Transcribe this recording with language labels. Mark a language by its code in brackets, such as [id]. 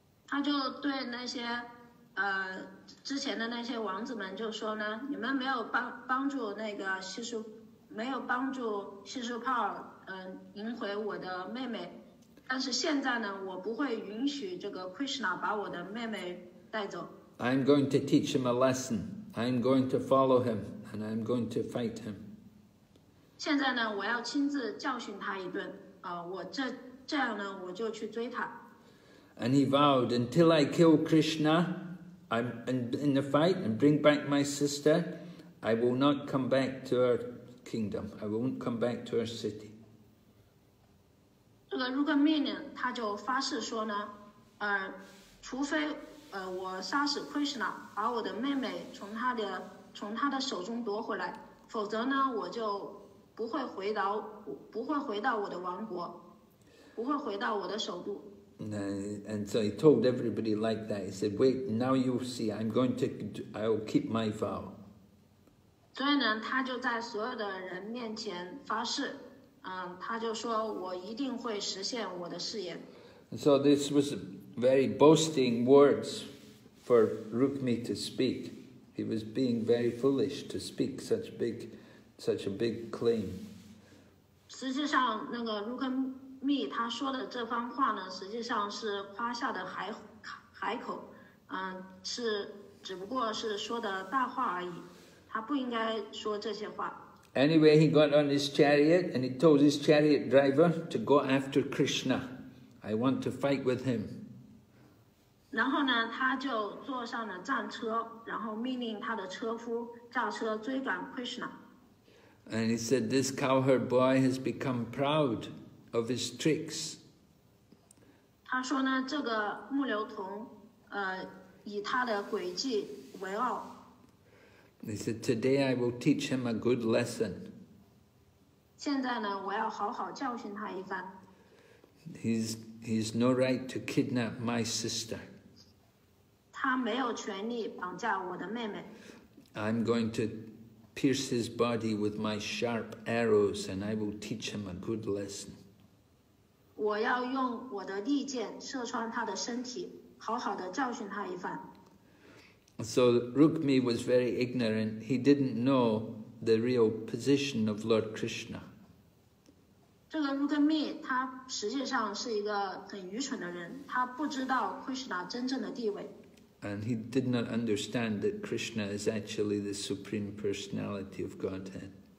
[zh] 他就对那些之前的那些王子们就说呢，你们没有帮助那个没有帮助 Shishupal, 赢回我的妹妹。但是现在呢，我不会允许这个 Krishna 把我的妹妹带走。 [en] I'm going to teach him a lesson. I'm going to follow him, and I'm going to fight him. [zh] 现在呢，我要亲自教训他一顿。我这样呢，我就去追他。 [en] And he vowed, until I kill Krishna, I'm in the fight and bring back my sister, I will not come back to her kingdom. I won't come back to her city. [zh] 这个 Rukmi 他就发誓说呢，除非我杀死 Krishna， 把我的妹妹从他的手中夺回来，否则呢，我就不会回到我的王国，不会回到我的首都。 [en] And so he told everybody like that. He said, "Wait, now you see, I'll keep my vow." [zh] 所以呢，他就在所有的人面前发誓。他就说我一定会实现我的誓言。 [en] So this was very boasting words for Rukmi to speak. He was being very foolish to speak such a big claim. [zh] 实际上那个 Rukmi 他说的这番话呢，实际上是夸下的海口，是只不过是说的大话而已，他不应该说这些话。 [en] Anyway, he got on his chariot and he told his chariot driver to go after Krishna. I want to fight with him. [zh] 然后呢，他就坐上了战车，然后命令他的车夫驾车追赶 Krishna. [en] And he said, this cowherd boy has become proud of his tricks. [zh] 他说呢，这个牧牛童，以他的诡计为傲。 [en] He said, today I will teach him a good lesson. [zh] 现在呢，我要好好教训他一番。 [en] He's no right to kidnap my sister. [zh] 他没有权利绑架我的妹妹。 [en] I'm going to pierce his body with my sharp arrows, and I will teach him a good lesson. [zh] 我要用我的利剑射穿他的身体，好好的教训他一番。 [en] So Rukmi was very ignorant. He didn't know the real position of Lord Krishna. [zh] 这个 Rukmi 他实际上是一个很愚蠢的人，他不知道 Krishna 真正的地位。 [en] And he did not understand that Krishna is actually the Supreme Personality of Godhead.